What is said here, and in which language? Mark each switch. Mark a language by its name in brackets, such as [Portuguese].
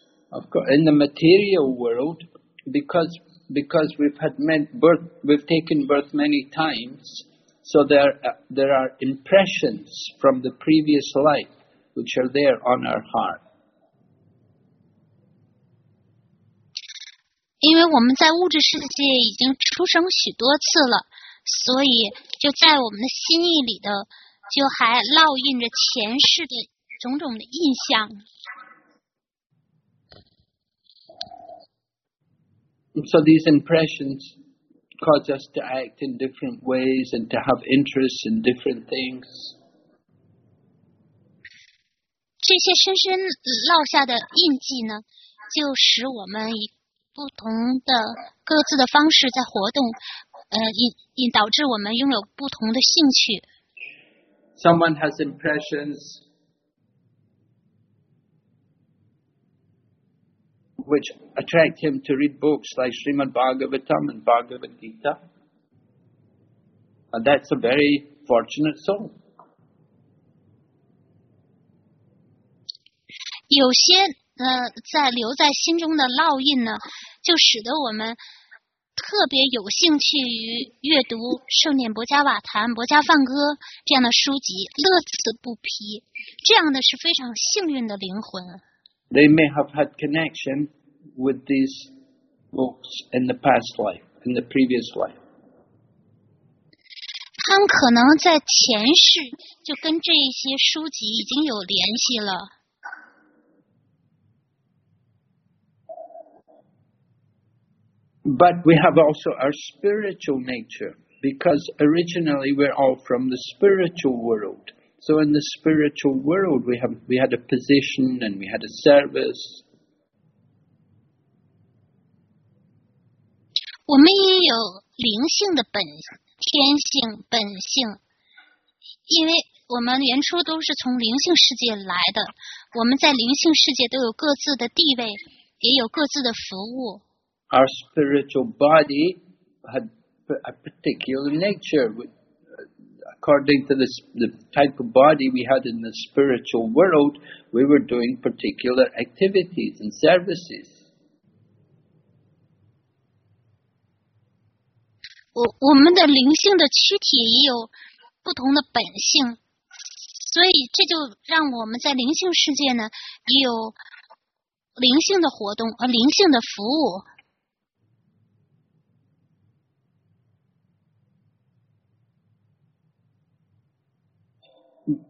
[English] Of course, in the material world, because we've had birth, we've taken birth many times, so there are impressions from the previous life which are there on our heart. [Chinese] 因为我们在物质世界已经出生许多次了。所以就在我们的心意里的就还烙印着前世的种种的印象。 [English] So these impressions cause us to act in different ways and to have interests in different things. [Chinese] 这些深深烙下的印记呢，就使我们以不同的各自的方式在活动，引导致我们拥有不同的兴趣。 [English] Someone has impressions which attract him to read books like Srimad Bhagavatam and Bhagavad Gita. And that's a very fortunate soul. [Chinese] 有些在留在心中的烙印呢，就使得我们特别有兴趣于阅读圣念薄伽瓦坛、薄伽梵歌这样的书籍，乐此不疲。这样的是非常幸运的灵魂。 [English] They may have had connection with these books in the past life, in the previous life. [Chinese] 他们可能在前世就跟这些书籍已经有联系了。 [English] But we have also our spiritual nature, because originally we're all from the spiritual world. So in the spiritual world, we had a position and we had a service. [Chinese] 我们也有灵性的本天性本性，因为我们原初都是从灵性世界来的，我们在灵性世界都有各自的地位，也有各自的服务。 [English] Our spiritual body had a particular nature. According to the type of body we had in the spiritual world, we were doing particular activities and services. [Chinese] 我们的灵性的躯体也有不同的本性，所以这就让我们在灵性世界呢，也有灵性的活动，灵性的服务。